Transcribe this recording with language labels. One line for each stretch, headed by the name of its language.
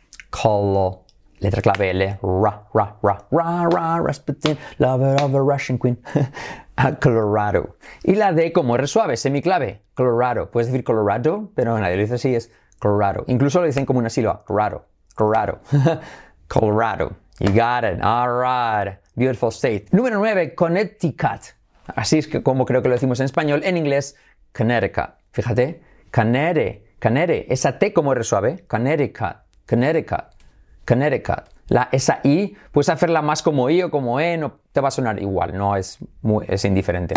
English: Colo.
Spanish: Letra clave L.
English: Ra, ra, ra, ra, ra, Rasputin, lover of the Russian queen.
Spanish: a Colorado. Y la D como R suave, semiclave, Colorado. Puedes decir Colorado, pero nadie lo dice así, es Colorado. Incluso lo dicen como una sílaba, Colorado, Colorado, Colorado.
English: You got it, all right, beautiful state.
Spanish: Número 9, Connecticut. Así es que como creo que lo decimos en español, en inglés, Connecticut. Fíjate, Canere, Canere, esa T como R suave, Connecticut, Connecticut, Connecticut. La, esa I, puedes hacerla más como I o como E, no te va a sonar igual, no es, muy, es indiferente.